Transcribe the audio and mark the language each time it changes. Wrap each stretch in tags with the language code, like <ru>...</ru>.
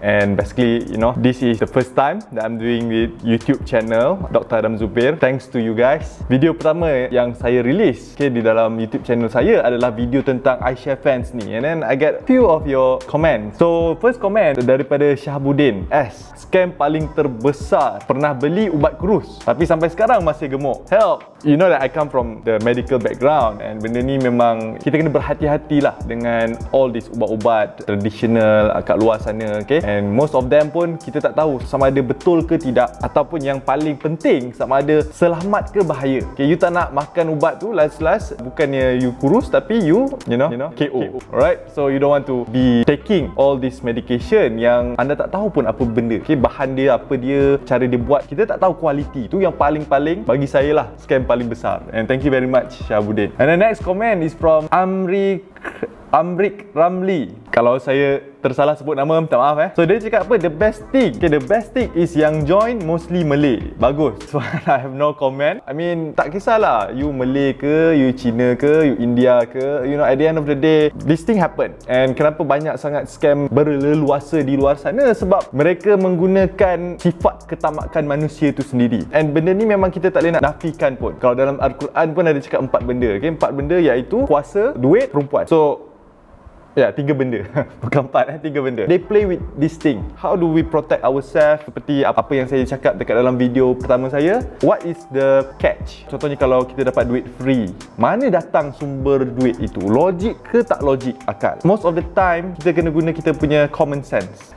<en>And basically, you know, this is the first time that I'm doing with YouTube channel Dr. Adam Zubair. Thanks to you guys.</en> <ms>Video pertama yang saya</ms> <en>release okay,</en> <ms>di dalam YouTube channel saya adalah video tentang iShare Fans ni.</ms> <en>And then I get few of your comments. So first comment</en> <ms>daripada</ms> <en>Syahbudin S.</en> <ms>Scam paling terbesar, pernah beli ubat kurus tapi sampai sekarang masih gemuk.</ms> <en>Help! You know that I come from the medical background</en> <ms>and benda ni memang kita kena berhati-hatilah dengan</ms> <en>all this</en> <ms>ubat-ubat traditional kat luar sana, okay?</ms> <en>And most of them</en> <ms>pun kita tak tahu sama ada betul ke tidak ataupun yang paling penting sama ada selamat ke bahaya. Okay, you tak nak makan ubat tu</ms> <en>last-last,</en> <ms>bukannya you kurus tapi</ms> <en>you know</en> <ms>KO.</ms> <en>Alright, so you don't want to be taking all this medication</en> <ms>yang anda tak tahu pun apa benda. Okay, bahan dia, apa dia, cara dia buat, kita tak tahu kualiti. Tu yang paling-paling bagi saya lah scam paling besar.</ms> <en>And thank you very much Syahbudin. And the next comment is from Amrik Ramli.</en> <ms>Kalau saya tersalah sebut nama, minta maaf . So dia cakap apa?</ms> <en>The best thing. Okay, the best thing is</en> <ms>yang</ms> <en>join mostly Malay.</en> <ms>Bagus.</ms> <en>So I have no comment. I mean,</en> <ms>tak kisahlah you Malay ke, you Cina ke, you India ke.</ms> <en>You know, at the end of the day, this thing happen. And</en> <ms>kenapa banyak sangat scam berleluasa di luar sana? Sebab mereka menggunakan sifat ketamakan manusia tu sendiri.</ms> <en>And</en> <ms>benda ni memang kita tak boleh nak nafikan pun. Kalau dalam Al-Quran pun ada cakap empat benda. Okay, empat benda iaitu kuasa, duit, perempuan. So, ya, tiga benda. Bukan empat, tiga benda.</ms> <en>They play with this thing. How do we protect ourselves?</en> <ms>Seperti apa yang saya cakap dekat dalam video pertama saya.</ms> <en>What is the catch?</en> <ms>Contohnya kalau kita dapat duit free, mana datang sumber duit itu? Logik ke tak logik akal?</ms> <en>Most of the time,</en> <ms>kita kena guna kita punya</ms> <en>common sense.</en>